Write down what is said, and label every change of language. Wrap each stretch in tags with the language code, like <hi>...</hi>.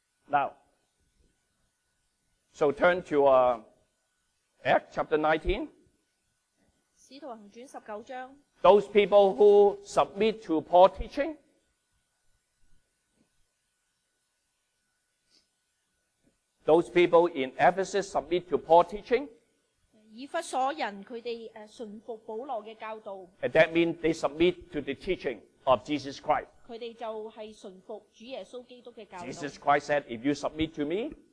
<en>Now, so turn to Acts chapter 19.</en> <zh>使徒行傳19章.</zh> <en>Those people who submit to Paul's teaching. Those people in Ephesus submit to Paul's teaching.</en> <zh>以弗所人他们顺服保罗的教导.</zh> <en>And that means they submit to the teaching of Jesus Christ.</en> <zh>他们就是顺服主耶稣基督的教导.</zh> <en>Jesus Christ said, if you submit to me,</en>